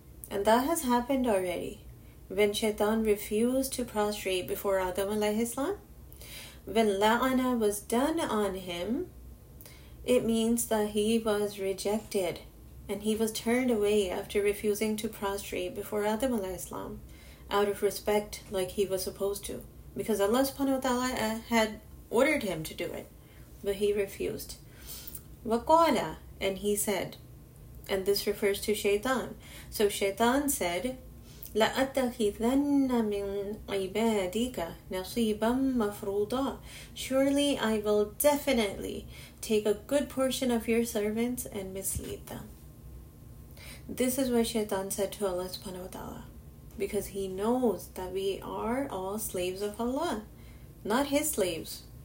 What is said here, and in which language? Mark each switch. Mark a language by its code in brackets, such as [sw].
[en] And that has happened already. When shaitan refused to prostrate before Adam alayhi salam, when la'ana was done on him, it means that he was rejected and he was turned away after refusing to prostrate before Adam alayhi salam out of respect like he was supposed to, because Allah subhanahu wa ta'ala had ordered him to do it, but he refused. [ar] وَقَالَ, [en] and he said, and this refers to shaitan. So shaitan said, [ar] لَأَتَّخِذَنَّ مِنْ عِبَادِكَ نَصِيبًا مَفْرُوضًا. [en] Surely I will definitely take a good portion of your servants and mislead them. This is what shaitan said to Allah subhanahu wa ta'ala, because he knows that we are all slaves of Allah, not his slaves.